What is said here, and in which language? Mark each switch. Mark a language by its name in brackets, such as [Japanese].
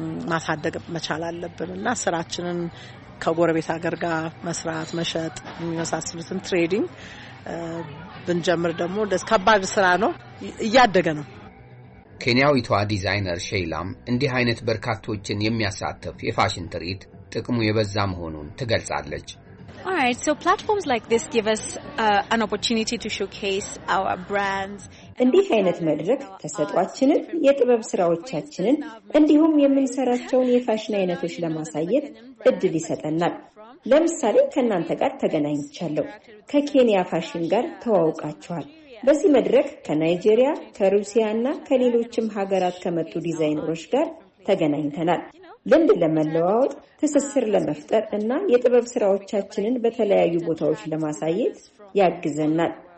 [Amharic] ማሳደግ መቻል አለብን እና ስራችንን ከጎረቤት ሀገር ጋር መስራት፣ መሸጥ የሚመሳሰሉትን ትሬዲንግ ብንጀምር ደግሞ ከባድ ስራ ነው፣ እያደገ ነው። ኬንያዊቷ ዲዛይነር ሼይላም እንዲህ አይነት በርካቶችን የሚያሳትፍ የፋሽን ትርኢት ጥቅሙ የበዛ መሆኑን ትገልጻለች። [English] All right, so platforms like this give us an opportunity to showcase our brands. [Amharic] እንዲህ አይነት መድረክ ተሰጧችንን የጥበብ ስራዎቻችንን እንዲሁም የምንሰራቸውን የፋሽን አይነቶች ለማሳየት እድል ይሰጠናል። ለምሳሌ ከእናንተ ጋር ተገናኝቻለሁ፣ ከኬንያ ፋሽን ጋር ተዋውቃችኋል። በዚህ መድረክ ከናይጄሪያ፣ ከሩሲያና ከሌሎችም ሀገራት ከመጡ ዲዛይነሮች ጋር ተገናኝተናል። ልምድ ለመለዋወጥ፣ ትስስር ለመፍጠር እና የጥበብ ስራዎቻችንን በተለያዩ ቦታዎች ለማሳየት ያግዘናል።